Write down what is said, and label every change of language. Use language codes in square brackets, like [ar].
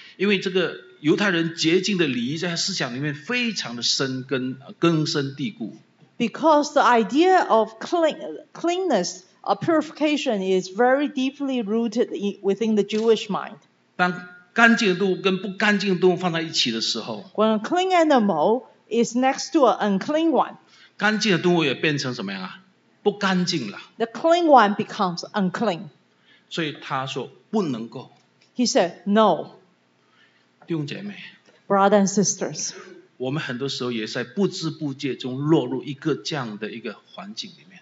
[zh] 因为这个犹太人洁净的礼仪在他思想里面非常的深根，根深蒂固。 [en] Because the idea of cleanness, purification is very deeply rooted within the Jewish mind. [zh] 当干净动物跟不干净动物放在一起的时候， [en] When a clean animal is next to an unclean one, [zh] 干净的动物也变成什么样啊？不干净了。 [en] The clean one becomes unclean. [zh] 所以他说不能够。 [en] He said, no. [zh] 弟兄姐妹 [en] ，Brothers and sisters， [zh] 我们很多时候也在不知不觉中落入一个这样的一个环境里面。